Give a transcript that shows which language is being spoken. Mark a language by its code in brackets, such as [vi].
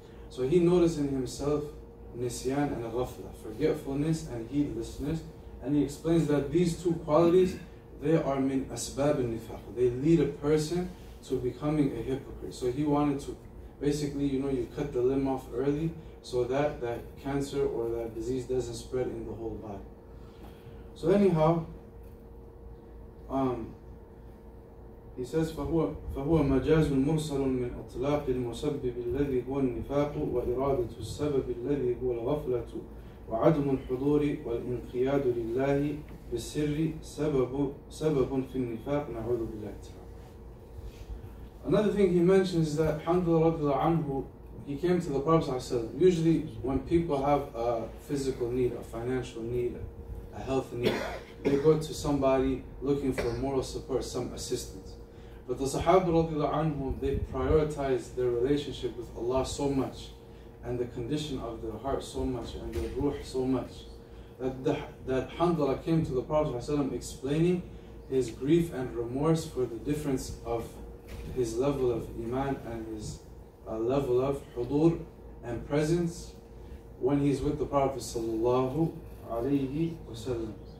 [en] So he noticed in himself nisyan and ghafla, forgetfulness and heedlessness. And he explains that these two qualities, they are [ar] min asbab al-nifaq. [en] They lead a person to becoming a hypocrite. So he wanted to, basically, you know, you cut the limb off early so that cancer or that disease doesn't spread in the whole body. So anyhow, he says, [ar] فَهُوَ مَجَازٌ مُرْسَلٌ مِنْ أَطْلَاقِ الْمُسَبِّبِ الَّذِي هُوَ النِّفَاقُ وَإِرَادَةُ السَّبَبِ الَّذِي هُوَ الْغَفْلَةُ وَعَدْمُ الْحُضُورِ وَالْإِنْقِيَادُ لِلَّهِ بِالسِّرِّ سَبَبٌ فِي النِّفَاقِ نَعُوذُ بِاللَّهِ تَعَالَى. [en] Another thing he mentions is that Hanzala [ar] رضي الله عنه, [en] he came to the Prophet sallallahu alaihi wasallam. Usually when people have a physical need, a financial need, a health need, they go to somebody looking for moral support, some assistance. But the Sahaba radiallahu anhum, they prioritized their relationship with Allah so much, and the condition of their heart so much, and their ruh so much, that that Hamdala came to the Prophet sallallahu alaihi wasallam explaining his grief and remorse for the difference of his level of iman and his level of hudur and presence when he's with the Prophet sallallahu alayhi wasallam.